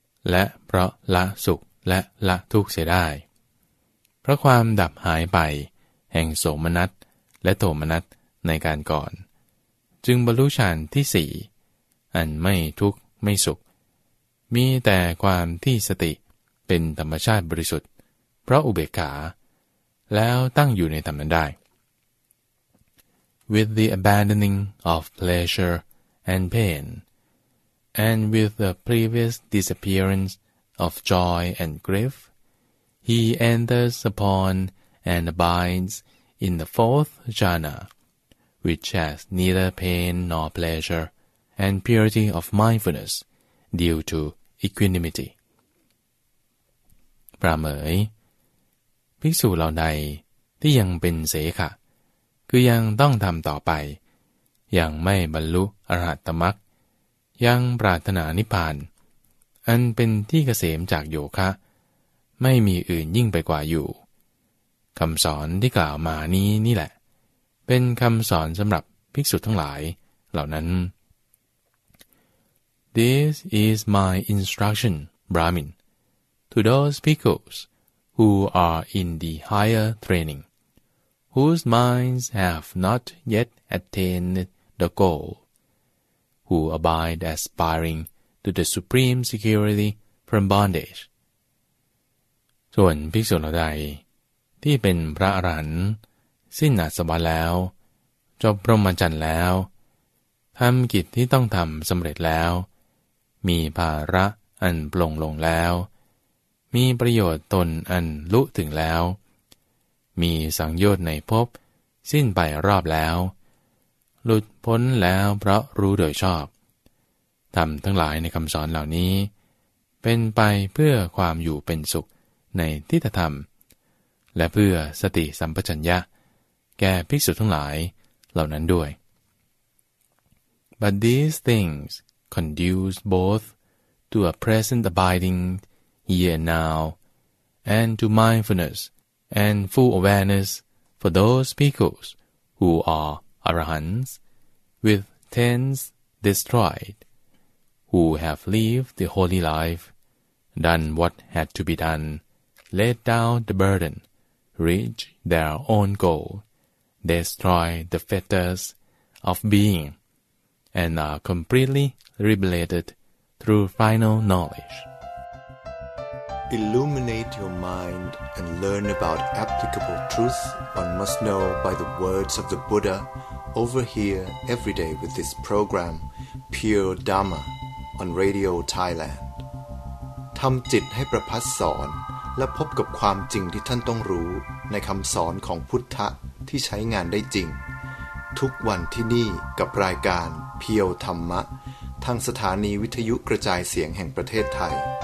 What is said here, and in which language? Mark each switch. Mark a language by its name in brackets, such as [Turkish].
[Thai] และเพราะละสุขและละทุกข์เสียได้เพราะความดับหายไปแห่งโสมนัสและโทมนัสในการก่อนจึงบรรลุฌานที่สี่อันไม่ทุกข์ไม่สุขมีแต่ความที่สติเป็นธรรมชาติบริสุทธิ์เพราะอุเบกขาแล้วตั้งอยู่ในธรรมนั้นได้ [English] With the abandoning of pleasure and pain and with the previous disappearance of joy and grief he enters upon and abides in the fourth jhana which has neither pain nor pleasure and purity of mindfulness due to equanimity [Thai] ประเมยภิกษุเหล่าใดที่ยังเป็นเสขะคือยังต้องทำต่อไปยังไม่บรรลุอรหัตมรรคยังปรารถนานิพพานอันเป็นที่เกษมจากโยคะไม่มีอื่นยิ่งไปกว่าอยู่คำสอนที่กล่าวมานี้นี่แหละเป็นคำสอนสำหรับภิกษุทั้งหลายเหล่านั้น [English] This is my instruction, Brahmin, to those bhikkhus who are in the higher training, whose minds have not yet attained the goal, who abide aspiring to the supreme security from bondage. [Thai] ส่วนภิกษุเหล่าใดที่เป็นพระอรหันต์สิ้นอาสวะแล้วจบพรหมจรรย์แล้วทำกิจที่ต้องทำสำเร็จแล้วมีภาระอันปลงลงแล้วมีประโยชน์ตนอันลุถึงแล้ว มีสังโยชน์ในภพสิ้นไปรอบแล้วหลุดพ้นแล้วเพราะรู้โดยชอบธรรมทั้งหลายในคำสอนเหล่านี้เป็นไปเพื่อความอยู่เป็นสุขในทิฏฐธรรมและเพื่อสติสัมปชัญญะแก่ภิกษุทั้งหลายเหล่านั้นด้วย [English] But these things conduce both to a present abiding here and now and to mindfulness and full awareness for those bhikkhus who are arahants with tens destroyed, who have lived the holy life, done what had to be done, laid down the burden, reached their own goal, destroyed the fetters of being, and are completely liberated through final knowledge. Illuminate your mind and learn about applicable truth one must know by the words of the Buddha over here every day with this program Pure Dharma on Radio Thailand. [Thai] ทำจิตให้ประพัสสอนและพบกับความจริงที่ท่านต้องรู้ในคำสอนของพุทธะที่ใช้งานได้จริงทุกวันที่นี่กับรายการเพียวธรรมะทางสถานีวิทยุกระจายเสียงแห่งประเทศไทย